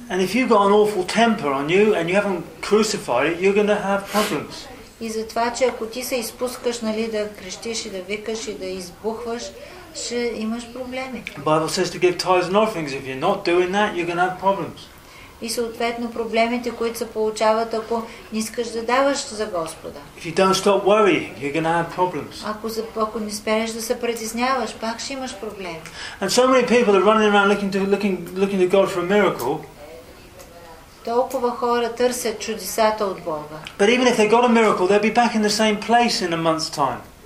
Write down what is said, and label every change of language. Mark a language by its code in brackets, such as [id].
[en] And if you've got an awful temper on you and you haven't crucified it, you're going to have problems. [bg] И затова, че ако ти се изпускаш, нали, да крещиш и да викаш и да избухваш, ще имаш проблеми. [en] Bible says to give tithes and offerings. If you're not doing that, you're going to have problems. [bg] И съответно проблемите, които се получават, ако не искаш да даваш за Господа. [en] If you don't stop worrying, you're going to have problems. [bg] Ако не спреш да се притесняваш, пак ще имаш проблеми. [en] And so many people are running around looking to God for a miracle. [bg] Толкова хора търсят чудесата от Бога. [en] But even if they got a miracle, they'll be back in the same place in a month's time.